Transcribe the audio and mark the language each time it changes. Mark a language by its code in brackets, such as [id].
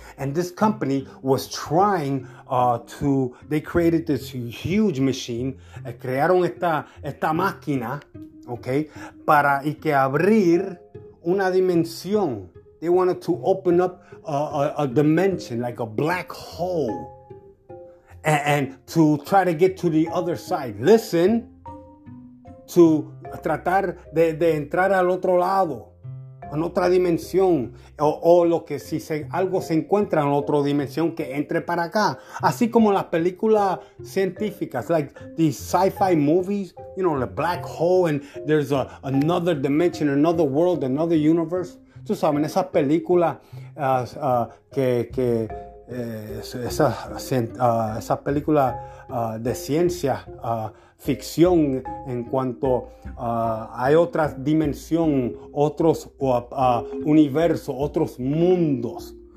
[en] And this company was trying they created this huge machine. [es] Crearon esta máquina, okay, para y que abrir una dimensión. [en] They wanted to open up a dimension, like a black hole. And to try to get to the other side. [es] Listen. To tratar de entrar al otro lado. En otra dimensión. O lo que si se, algo se encuentra en otra dimensión que entre para acá. Así como las películas científicas. [en] Like the sci-fi movies. You know, the black hole. And there's another dimension, another world, another universe. [es] Tú sabes, esas películas que esa película de ciencia ficción en cuanto hay otra dimensión, otros universos, otros mundos.